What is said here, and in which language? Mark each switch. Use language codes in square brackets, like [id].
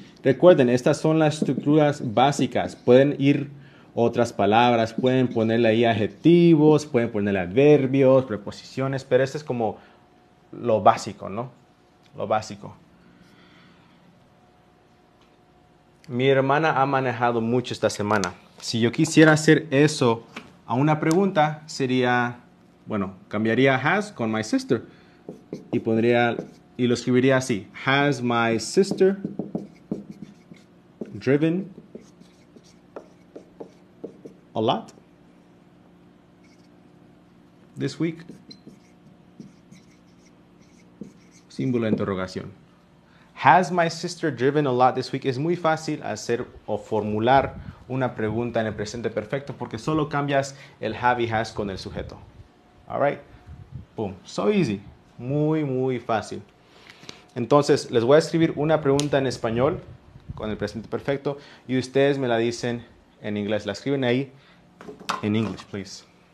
[es] Recuerden, estas son las estructuras básicas. Pueden ir otras palabras, pueden ponerle ahí adjetivos, pueden ponerle adverbios, preposiciones, pero este es como lo básico, ¿no? Lo básico. Mi hermana ha manejado mucho esta semana. Si yo quisiera hacer eso a una pregunta, sería, bueno, cambiaría has con my sister y pondría, y lo escribiría así. [en] Has my sister driven a lot this week? [es] Símbolo de interrogación. [en] Has my sister driven a lot this week? [es] Es muy fácil hacer o formular una pregunta en el presente perfecto porque solo cambias el have y has con el sujeto. [en] All right. Boom. So easy. [es] Muy, muy fácil. Entonces, les voy a escribir una pregunta en español con el presente perfecto y ustedes me la dicen en inglés. La escriben ahí. [en] In English, please.